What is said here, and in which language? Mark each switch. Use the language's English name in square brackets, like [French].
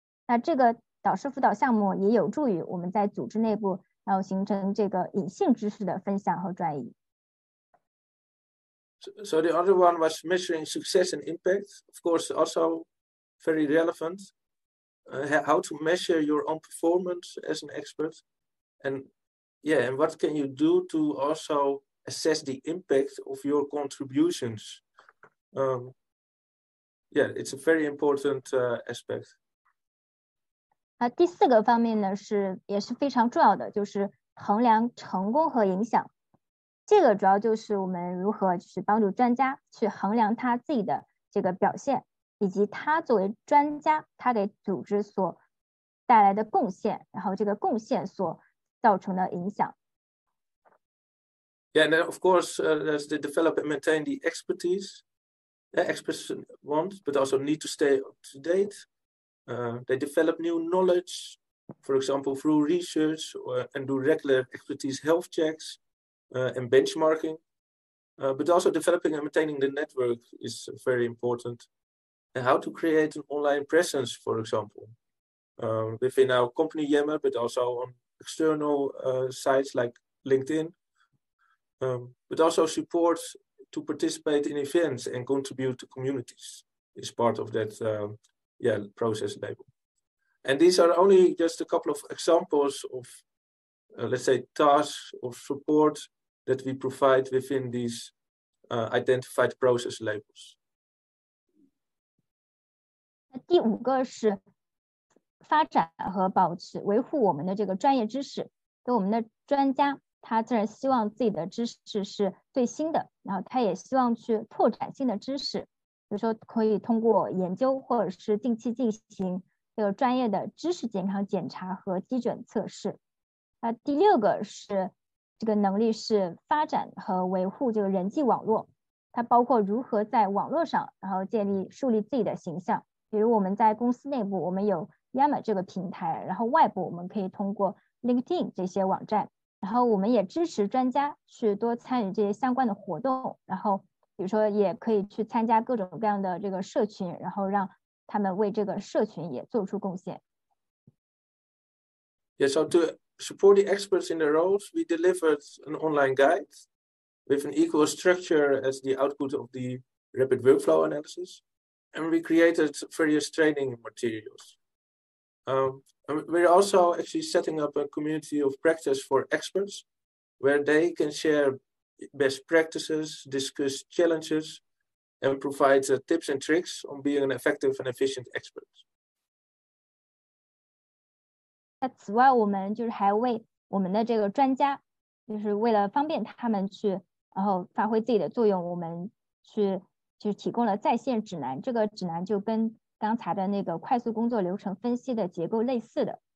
[Chinese] 那这个导师辅导项目也有助于我们在组织内部，然后形成这个隐性知识的分享和转移。 [English] So the other one was measuring success and impact, of course, also very relevant. How to measure your own performance as an expert, and what can you do to also. Assess the impact of your contributions. It's a very important aspect. [Chinese] 第四个方面呢是也是非常重要的，就是衡量成功和影响。这个主要就是我们如何就是帮助专家去衡量他自己的这个表现，以及他作为专家，他给组织所带来的贡献，然后这个贡献所造成的影响。 [English] Yeah, and then of course, there's the develop and maintain the expertise that experts want, but also need to stay up to date. They develop new knowledge, for example, through research or, and do regular expertise health checks and benchmarking. But also developing and maintaining the network is very important. And how to create an online presence, for example, within our company Yammer, but also on external sites like LinkedIn, but also support to participate in events and contribute to communities is part of that process label. And these are only just a couple of examples of, let's say, tasks of support that we provide within these identified process labels. [Chinese] 第五个是发展和保持维护我们的这个专业知识，跟我们的专家，他自然希望自己的知识是最新的，然后他也希望去拓展新的知识，比如说可以通过研究或者是定期进行这个专业的知识健康检查和基准测试。那第六个是这个能力是发展和维护这个人际网络，它包括如何在网络上然后建立树立自己的形象，比如我们在公司内部我们有 Yammer 这个平台，然后外部我们可以通过 LinkedIn 这些网站，然后我们也支持专家去多参与这些相关的活动，然后比如说也可以去参加各种各样的这个社群，然后让他们为这个社群也做出贡献。 [English] Yes, I'll do it. Support the experts in the roles, we delivered an online guide with an equal structure as the output of the rapid workflow analysis. And we created various training materials. We're also actually setting up a community of practice for experts where they can share best practices, discuss challenges, and provide tips and tricks on being an effective and efficient expert. [Chinese] 那此外，我们就是还为我们的这个专家，就是为了方便他们去，然后发挥自己的作用，我们去就提供了在线指南。这个指南就跟刚才的那个快速工作流程分析的结构类似的。